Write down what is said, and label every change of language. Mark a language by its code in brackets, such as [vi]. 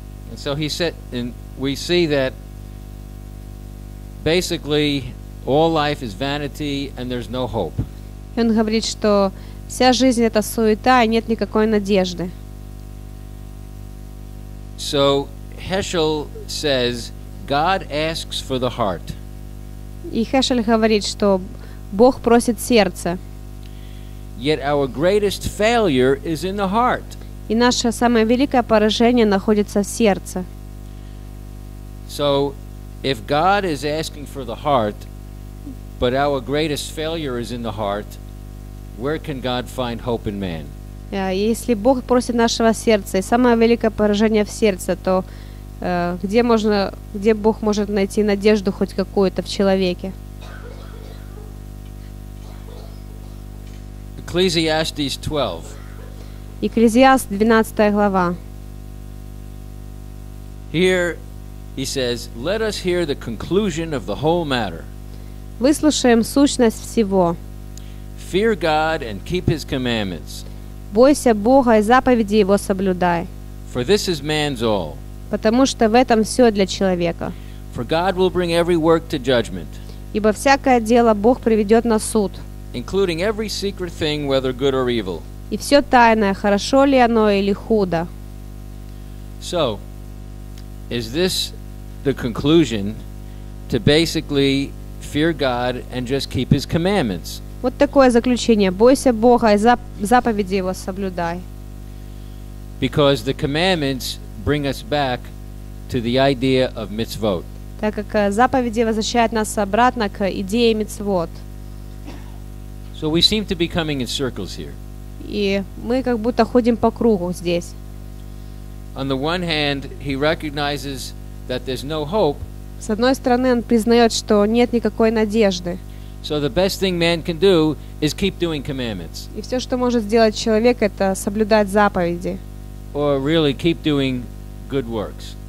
[en] And so he said, and we see that basically all life is vanity and there's no hope. [ru] И он говорит, что вся жизнь это суета и нет никакой надежды. [en] So Heschel says, God asks for the heart. [ru] И Хешел говорит, что Бог просит сердце. [en] Yet our greatest failure is in the heart. [ru] И наше самое великое поражение находится в сердце. [en] So, if God is asking for the heart, but our greatest failure is in the heart, where can God find hope in man? [ru] Если Бог просит нашего сердца, и самое великое поражение в сердце, то где Бог может найти надежду хоть какую-то в человеке? [en] Ecclesiastes 12. [ru] Екклезиаст, 12 глава. [en] Here he says, "Let us hear the conclusion of the whole matter." [ru] Выслушаем сущность всего. [en] Fear God and keep His commandments. [ru] Бойся Бога и заповеди Его соблюдай. [en] For this is man's all. [ru] Потому что в этом все для человека. [en] For God will bring every work to judgment. [ru] Ибо всякое дело Бог приведет на суд. [en] Including every secret thing, whether good or evil. [ru] И все тайное, хорошо ли оно или худо. [en] So, is this the conclusion to basically fear God and just keep His commandments? [ru] Вот такое заключение. Бойся Бога и заповеди Его соблюдай. [en] Because the commandments bring us back to the idea of mitzvot. [ru] Так как заповеди возвращают нас обратно к идее мицвот. [en] So we seem to be coming in circles here. [ru] И мы как будто ходим по кругу здесь. [en] On the one hand, he recognizes that there's no hope. [ru] С одной стороны, он признает, что нет никакой надежды. [en] So the best thing man can do is keep doing commandments. [ru] И все, что может сделать человек, это соблюдать заповеди. [en] Or really keep doing good works.